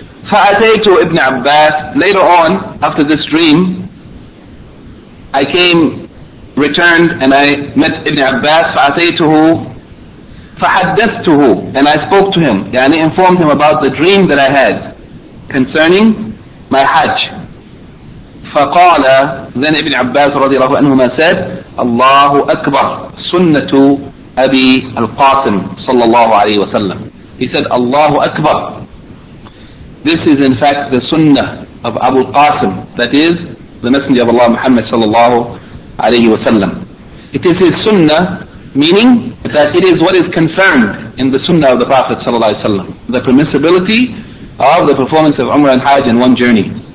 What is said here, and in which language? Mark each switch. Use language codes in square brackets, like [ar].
[ar] فأتيت ابن عباس, [en] later on, after this dream, I came, returned, and I met ابن عباس, [ar] فأتيته, فحدثته, [en] and I spoke to him, يعني informed him about the dream that I had concerning my hajj. [ar] فقال, [en] then [ar] ابن عباس رضي الله عنهما said, الله أكبر, سنة أبي القاسم صلى الله عليه وسلم. [en] He said, [ar] الله أكبر. [en] This is in fact the sunnah of Abu al-Qasim, that is, the Messenger of Allah Muhammad sallallahu alayhi wa sallam. It is his sunnah, meaning that it is what is confirmed in the sunnah of the Prophet sallallahu alayhi wa sallam, the permissibility of the performance of Umrah and Hajj in one journey.